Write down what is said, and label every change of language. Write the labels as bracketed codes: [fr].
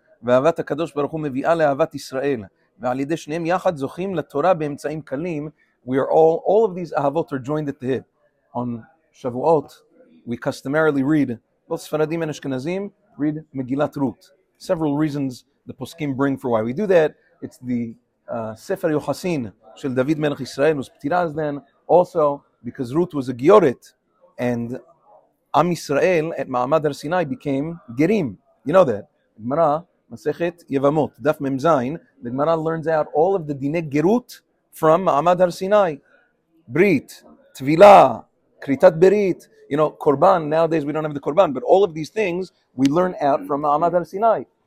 [he] ואהבת הקדוש ברוך הוא מביאה לאהבת ישראל, ועל ידי שניהם יחד זוכים לתורה באמצעים קלים. [en] We are all of these אהבות are joined at the hip. On Shavuot, we customarily read, both ספרדים and אשכנזים, read מגילת רות. Several reasons the פוסקים bring for why we do that. It's the ספר יוחסין של דוד מלך ישראל, was פטירז then. Also, because רות was a גיורת, and עם ישראל at מעמד הר סיני became גרים. You know that. גמרא, מסכת יבמות, דף ממזיין, the Gemara learns out all of the dine gerut from Ma'amad Har Sinai. Brit, Tvila, Kritat Berit, you know, Korban, nowadays we don't have the Korban, but all of these things we learn out from Ma'amad Har Sinai.